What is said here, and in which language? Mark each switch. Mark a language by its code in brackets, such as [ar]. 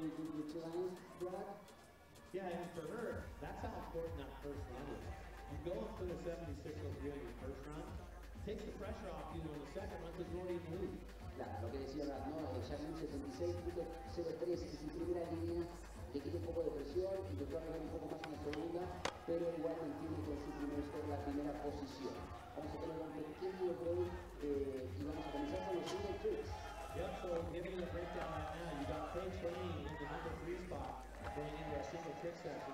[en] Yeah, and for her, that's how important that first run is. You go up to the 76-03 in your first run, takes the pressure off you on the second run because you don't even move. [es] Claro, lo que decía Brad, no, ella en 76.03 se sintió en primera línea, le quitó un poco de presión y le fue a pegar un poco más en la segunda, pero igual mantiene con su primer score la primera posición. Vamos a tener un pequeño break y vamos a comenzar con los single tricks. [en] Yep, so giving you the breakdown right now, you got Paige Rain in the number three spot going into our single trick session.